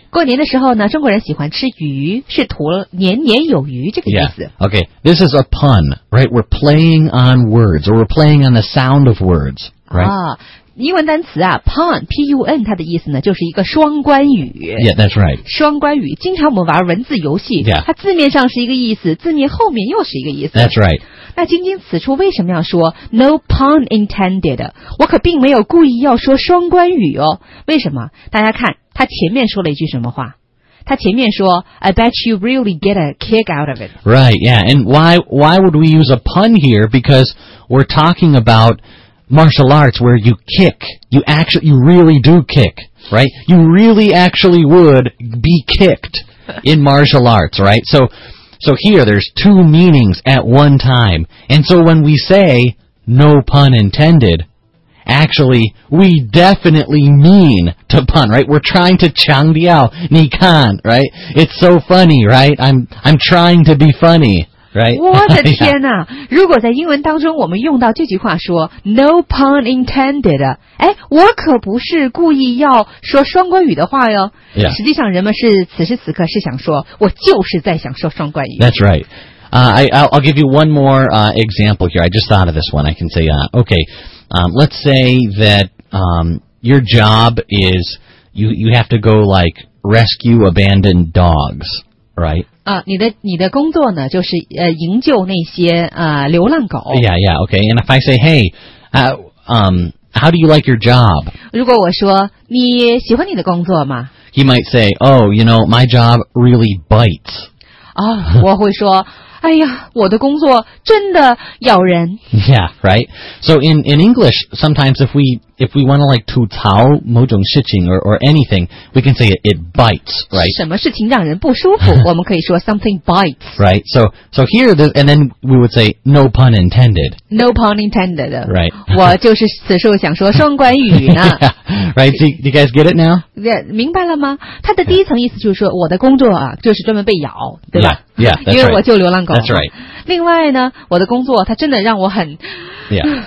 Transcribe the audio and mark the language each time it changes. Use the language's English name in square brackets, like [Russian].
[Chinese] 过年的时候呢，中国人喜欢吃鱼，是图年年有余这个意思。 [English] Yeah. OK， this is a pun， right？ We're playing on words， or we're playing on the sound of words， right？ [Chinese] 英文单词啊 ，pun， p u n， 它的意思呢，就是一个双关语。 [English] Yeah， that's right。 [Chinese] 双关语，经常我们玩文字游戏， [English] yeah. [Chinese] 它字面上是一个意思，字面后面又是一个意思。 [English] That's right。 [Chinese] 那晶晶此处为什么要说 [English] no pun intended？ [Chinese] 我可并没有故意要说双关语哦。为什么？大家看，他前面说了一句什么话？他前面说 [English] ，I bet you really get a kick out of it. Right. Yeah. And why would we use a pun here? Because we're talking about martial arts where you kick. You really do kick, right? You really actually would be kicked in martial arts, right? So here there's two meanings at one time. And so when we say no pun intended, actually we definitely mean to pun, right? We're trying to [Chinese] 强调你看, [English] right? It's so funny, right? I'm trying to be funny. Right? [Chinese] 我的天哪、yeah. 如果在英文当中我们用到这句话说 [English] No pun intended [Chinese] 哎，我可不是故意要说双关语的话哟、 [English] yeah. [Chinese] 实际上人们是此时此刻是想说我就是在想说双关语 [English] That's right、I'll give you one more、example here I just thought of this one I can say okay、let's say that、your job is you have to go like rescue abandoned dogs Right. [Chinese] 啊，你的工作呢，就是营救那些流浪狗。 [English] Yeah, yeah, okay. And if I say, hey, how do you like your job? [Chinese] 如果我说你喜欢你的工作吗 [English] ？He might say, oh, you know, my job really bites. [Chinese] 啊，我会说，哎呀，我的工作真的咬人。 [English] Yeah, right. So in English, sometimes if we want to like [Chinese] 吐槽某种事情 [English] or anything, we can say it bites, right? [Chinese] 什么事情让人不舒服？我们可以说 [English] something bites, right? So here, and then we would say no pun intended. No pun intended. Right. [Chinese] 我就是此时想说双关语呢。 [English] Yeah, right. So, you guys get it now? [Chinese] Yeah, 明白了吗？它的第一层意思就是说我的工作啊，就是专门被咬，对吧 [English] ？Yeah, yeah. That's right. [Chinese] 因为我救流浪狗。 [English] That's right. [Chinese] 另外呢，我的工作它真的让我很 [English] yeah